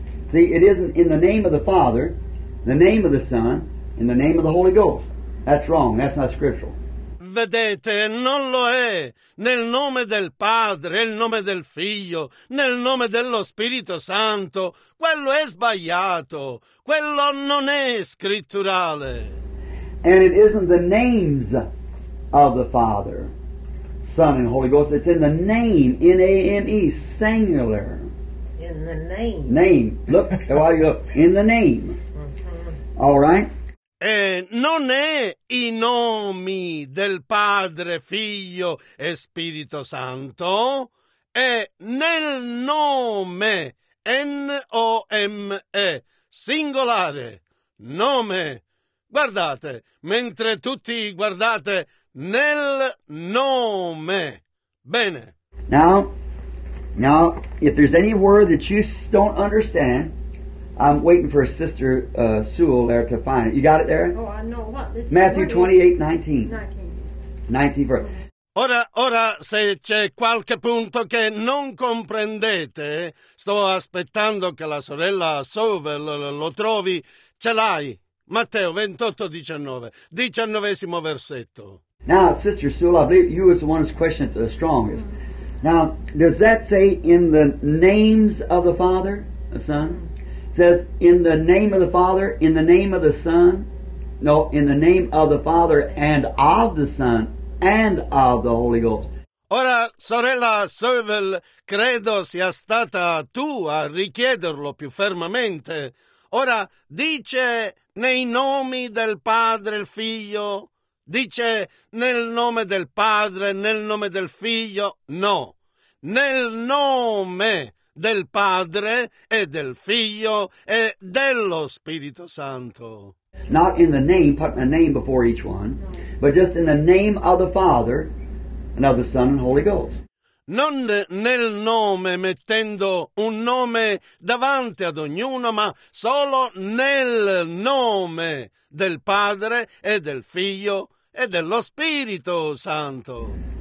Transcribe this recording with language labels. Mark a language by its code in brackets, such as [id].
[en] See, it isn't in the name of the Father, the name of the Son, in the name of the Holy Ghost. That's wrong, that's not scriptural. [it] Vedete, non lo è nel nome del Padre, nel nome del Figlio, nel nome dello Spirito Santo. Quello è sbagliato. Quello non è scritturale. [en] And it isn't the names of the Father, Son, and Holy Ghost. It's in the name, N-A-M-E, singular. In the name. Name. Look, while you look, in the name. All right? [it] E non è i nomi del Padre, Figlio e Spirito Santo, è nel nome, N-O-M-E, singolare, nome. Guardate, mentre tutti guardate, nel nome. Bene. [en] Now, if there's any word that you don't understand, I'm waiting for Sister Sewell there to find it. You got it there? Oh, I know what. It's Matthew 28:19. 19. [it] Ora, se c'è qualche punto che non comprendete, sto aspettando che la sorella Sewell lo trovi. Ce l'hai. Matteo 28:19. 19° versetto. [en] Now, Sister Sewell, I believe you was the one who's questioned the strongest. Mm-hmm. Now, does that say in the names of the Father, the Son? Says in the name of the Father, in the name of the Son, no, in the name of the Father and of the Son and of the Holy Ghost. [it] Ora, sorella Sewell, credo sia stata tu a richiederlo più fermamente. Ora, dice nei nomi del Padre, il Figlio? Dice nel nome del Padre, nel nome del Figlio? No, nel nome del Padre e del Figlio e dello Spirito Santo. [en] Not in the name, put a name before each one, but just in the name of the Father and of the Son and Holy Ghost. [it] Non nel nome, mettendo un nome davanti ad ognuno, ma solo nel nome del Padre e del Figlio e dello Spirito Santo.